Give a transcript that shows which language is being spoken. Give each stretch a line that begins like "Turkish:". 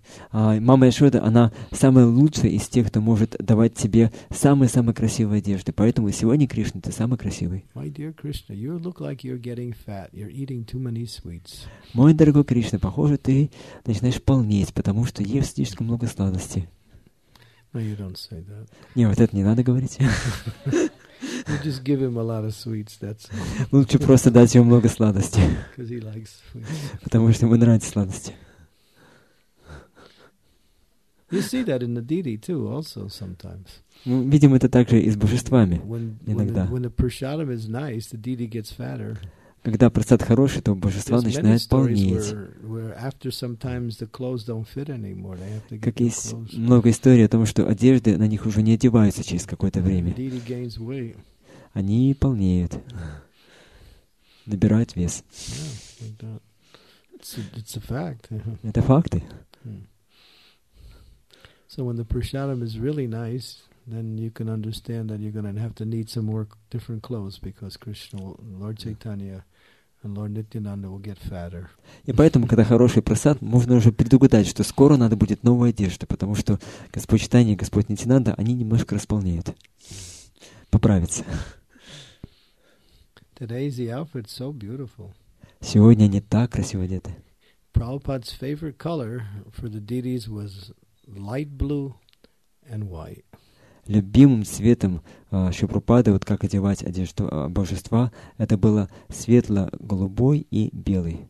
Russian: Мама Яшода, она самая лучшая из тех, кто может давать тебе самые-самые красивые одежды. Поэтому сегодня, Кришна, ты самый красивый.
English: My dear Krishna, you look like you're getting fat. You're eating too many sweets.
Russian: Мой дорогой Кришна, похоже, ты начинаешь полнеть, потому что ешь слишком много сладости.
English: No, you don't say that.
Russian: Не, вот это не надо говорить.
English: You just give him a lot of sweets, that's all.
Russian: Лучше просто дать ему много сладости.
English: Because he likes sweets.
Russian: Потому что ему нравятся сладости.
English: You see that in the deity too, also sometimes.
Russian: Мы видим это также и с божествами иногда.
English: When the prashadam is nice, the deity gets fatter.
Russian: Когда прасад хороший, то божества начинают полнеть.
English: Where after sometimes the clothes don't fit anymore, they have to get.
Russian: Как есть много историй о том, что одежды на них уже не одеваются через какое-то время.
English: The deity gains weight.
Russian: Они полнеют, набирают вес.
English: It's a fact.
Russian: Это факты.
English: So when the prashadam is really nice, then you can understand that you're going to have to need some more different clothes because Krishna, Lord Chaitanya, and Lord Nityananda will get fatter.
Russian: И поэтому, когда хороший прасад, можно уже предугадать, что скоро надо будет новая одежда, потому что Господь Чайтанья, Господь Нитинанда, они немножко располнеют, поправятся.
English: Today's the outfit so beautiful.
Russian: Сегодня они так красиво одеты.
English: Prabhupada's favorite color for the deities was light blue and white.
Russian: Любимым цветом Шипрупады, вот как одевать одежду божества, это было светло-голубой и белый.